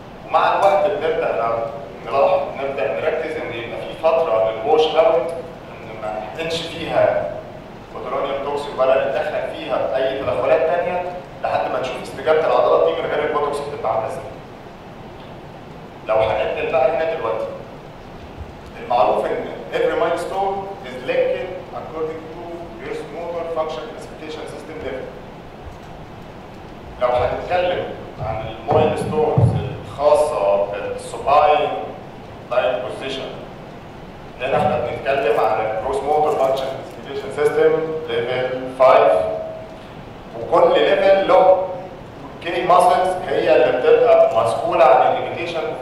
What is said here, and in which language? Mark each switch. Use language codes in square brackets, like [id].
[ar] مع الوقت بنبدا نركز ان يبقى في فتره للوش اوت ان ما نحطش فيها فوتورونيوم توكسي ولا ندخل فيها اي تدخلات ثانيه لحد ما نشوف استجابه العضلات دي من غير البوتوكس اللي بتتعمل. لو هنبدا بقى هنا دلوقتي المعروف ان [en] every milestone is linked according to your motor function classification system level. [ar] لو هنتكلم عن المايلستونز الخاصه بالسوباين لاين بوزيشن لان احنا بنتكلم عن الجروس موتور فانكشن كلاسيفيكيشن سيستم ليفل 5 وكل ليفل له كي ماسلز هي اللي بتبقى مسؤوله عن الليميتيشن.